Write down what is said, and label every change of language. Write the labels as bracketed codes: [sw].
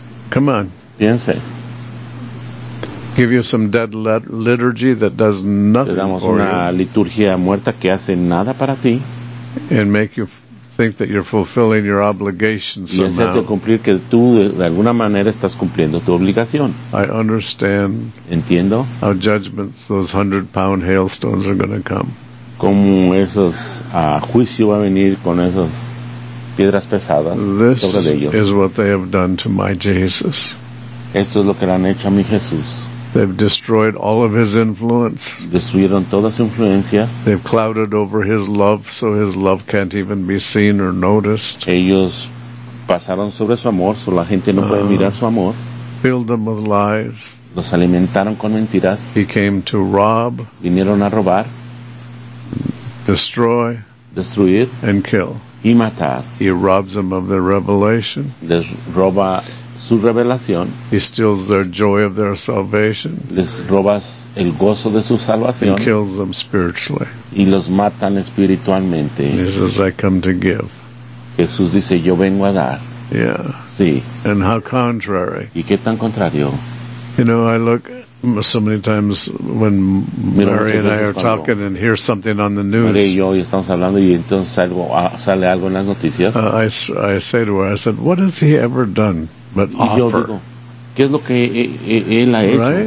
[en] Come on. [es] Piense. [en] Give you some dead liturgy that does nothing [es] te damos [en] for [es] una [en] you. [es] Liturgia muerta que hace nada para ti. [en] And make you think that you're fulfilling your obligation somehow. [es] Y hacerte cumplir que tú de alguna manera estás cumpliendo tu obligación. [en] I understand. [es] Entiendo. [en] How judgments, those 100-pound hailstones are going to come. [es] Como esos a juicio va a venir con esas piedras pesadas [en] this [es] sobre de ellos. [en] This is what they have done to my Jesus. [es] Esto es lo que le han hecho a mi Jesús. [en] They've destroyed all of his influence. [es] Destruyeron toda su influencia. [en] They've clouded over his love, so his love can't even be seen or noticed. [es] Ellos pasaron sobre su amor, so la gente no puede mirar su amor. [en] Filled them with lies. [es] Los alimentaron con mentiras. [en] He came to rob. [es] Vinieron a robar. [en] Destroy. [es] Destruir. [en] And kill. [es] Y matar. [en] He robs them of their revelation. [es] Les roba su revelación. [en] He steals their joy of their salvation. [es] Les robas el gozo de su salvación. [en] And kills them spiritually. [es] Y los matan espiritualmente. [en] He says, I come to give. [es] Jesús dice, yo vengo a dar. [en] Yeah. [es] Sí. [en] And how contrary. [es] ¿Y qué tan contrario? [en] You know, I look so many times when [es] mira, [en] Mary and I are talking and hear something on the news. [es] Mary y yo y estamos hablando y entonces algo, sale algo en las noticias. [en] I say to her, I said, what has he ever done? But [es] y yo digo, ¿qué es lo que él ha hecho